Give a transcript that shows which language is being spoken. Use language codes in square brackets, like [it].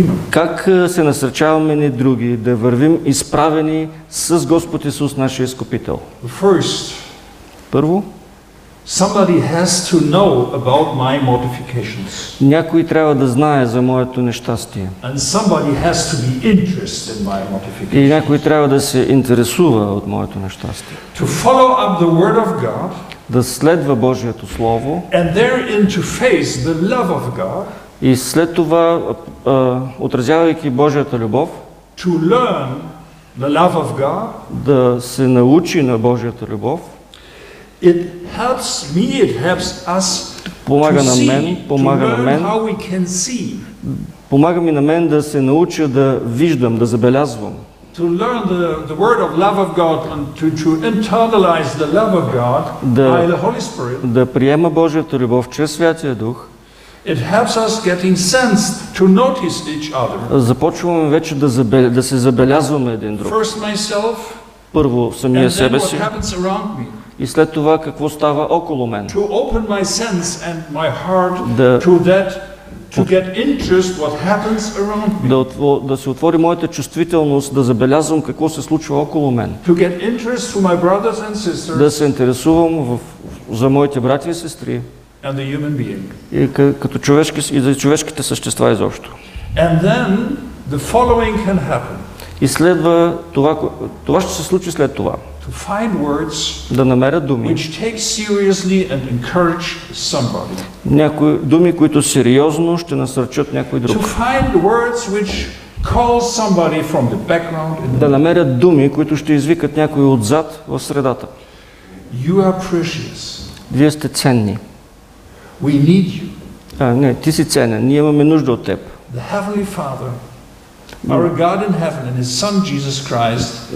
[bg] Как се насърчаваме ние други да вървим изправени с Господ Исус, нашия Искупител? Първо, [en] somebody has to know about my mortifications. [bg] Някой трябва да знае за моето нещастие. [en] And somebody has to be interested in my mortifications. [bg] И някой трябва да се интересува от моето нещастие. [en] To follow up the word of God. [bg] Да следва Божието слово. [en] And therein to face the love of God. [bg] И след това, отразявайки Божията любов, [en] to learn the love of God. [bg] Да се научи на Божията любов. [en] It helps me, it helps us to see, to learn how we can see. [bg] Помага ми на мен да се науча да виждам, да забелязвам. [en] To learn the word of love of God and to internalize the love of God by the Holy Spirit. [bg] Да приема Божията любов чрез Святия Дух. [en] It helps us getting sense to notice each other. [bg] Започваме вече да се забелязваме един друг. [en] First myself. [bg] Първо самия себе си. [en] And then what happens around me. [bg] И след това какво става около мен? [en] To open my sense and my heart to that, to get interest what happens around me. [bg] Да се отвори моята чувствителност, да забелязвам какво се случва около мен. [en] To get interest for my brothers and sisters. [bg] Да се интересувам за моите братя и сестри. [en] And the human being. [bg] И като човешки и за човешките същества изобщо. [en] And then the following can happen. [bg] И следва това, това ще се случи след това. [en] Find words, [bg] да намеря думи, [en] which take seriously and encourage somebody. [bg] Някои думи, които сериозно ще насърчат някой друг. [en] To find words which call somebody from the background. [bg] Да намеря думи, които ще извикат някой отзад в средата. [en] You are precious. [bg] Вие сте ценни. [en] We need you. [bg] Не, ти си ценен. Ние имаме нужда от теб. [en] The Heavenly Father, our God in heaven and His Son Jesus Christ.